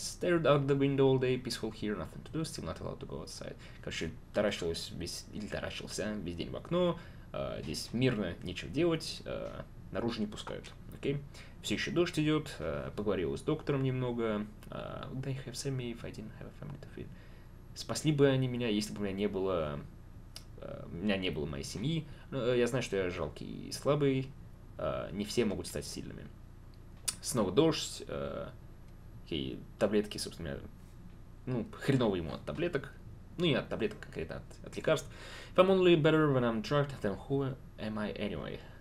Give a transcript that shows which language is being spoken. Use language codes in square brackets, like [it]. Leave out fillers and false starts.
[en] Stared out the window all day, peaceful here, nothing to do, still not allowed to go outside. [ru] Короче, таращился весь день в окно, здесь мирно, нечего делать, наружу не пускают, окей? [en] Okay? [ru] Все еще дождь идет, поговорил с доктором немного. [en] Would they have sent me if I didn't have a family to feed? [ru] Спасли бы они меня, если бы у меня не было моей семьи. Я знаю, что я жалкий и слабый, не все могут стать сильными. Снова дождь, и таблетки, собственно, ну, хреново ему от таблеток, ну, не от таблеток, конкретно от лекарств. [en] If I'm only better when I'm drugged, then who am I anyway?